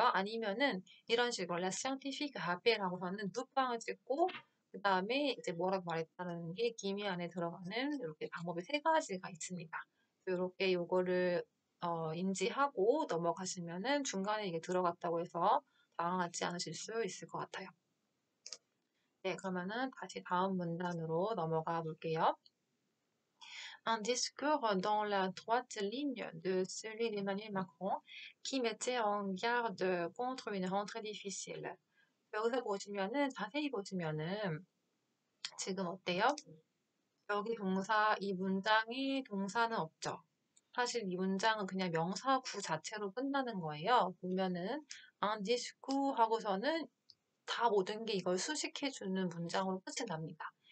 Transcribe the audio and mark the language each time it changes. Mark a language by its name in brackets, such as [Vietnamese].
[Korean] 아니면은 이런 식으로 [French] La scientifique rappelle [Korean] 라고서는 두 방을 찍고 그 다음에 이제 뭐라고 말했다는 게 기매 안에 들어가는 이렇게 방법이 세 가지가 있습니다. 이렇게 요거를 인지하고 넘어가시면은 중간에 이게 들어갔다고 해서 당황하지 않으실 수 있을 것 같아요. 네, 그러면은 다시 다음 문단으로 넘어가 볼게요. [French] Un discours dans la droite ligne de celui d'Emmanuel Macron qui mettait en garde contre une rentrée difficile. [Korean] 여기서 보시면은 자세히 보시면은 지금 어때요? 여기 동사 이 문장이 동사는 없죠. 사실 이 문장은 그냥 명사구 자체로 끝나는 거예요. 보면은 un discours 하고서는 다 모든 게 이걸 수식해주는 문장으로 끝이 납니다.